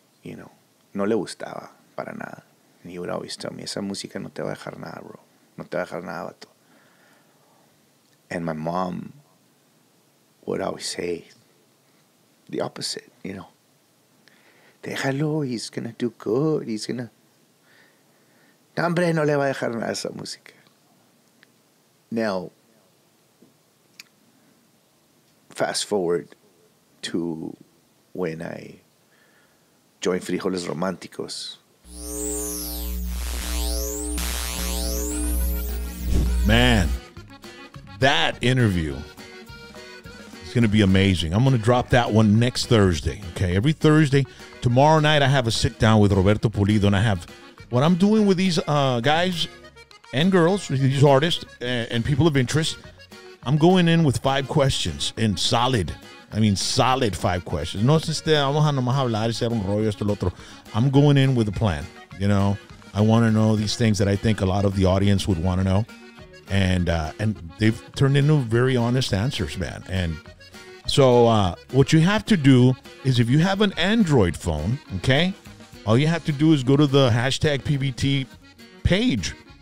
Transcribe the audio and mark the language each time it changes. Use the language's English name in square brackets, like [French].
[English] You know, [Spanish] no le gustaba para nada. [English] And he would always tell me, [Spanish] esa música no te va a dejar nada, bro. No te va a dejar nada, vato. [English] And my mom would always say the opposite, you know. [Spanish] Déjalo, [English] he's going to do good. He's going to... [Spanish] No, hombre, no le va a dejar nada a esa música. [English] Now, fast forward to when I joined Frijoles Románticos. Man, that interview is going to be amazing. I'm going to drop that one next Thursday, okay? Every Thursday, tomorrow night, I have a sit-down with Roberto Pulido, and I have what I'm doing with these guys and girls, these artists and people of interest. I'm going in with 5 questions, and solid. I mean, solid 5 questions. [Spanish] No se esté, vamos a nomás hablar, hacer un rollo, esto, lo otro. [English] I'm going in with a plan, you know? I want to know these things that I think a lot of the audience would want to know. And they've turned into very honest answers, man. And so what you have to do is, if you have an Android phone, okay, all you have to do is go to the hashtag PBT page.